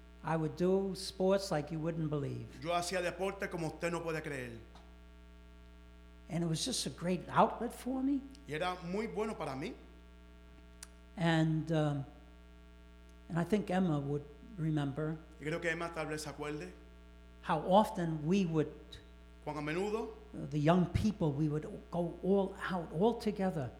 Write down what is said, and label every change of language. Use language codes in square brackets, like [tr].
[en] I would do sports like you wouldn't believe. [es] Yo hacía deporte como usted no puede creer. [en] And it was just a great outlet for me. [es] Y era muy bueno para mí. [en] And I think Emma would remember. [es] Yo creo que Emma tal vez acuerde. [en] How often we would, [es] cuán a menudo, [en] the young people, we would go all out, all together.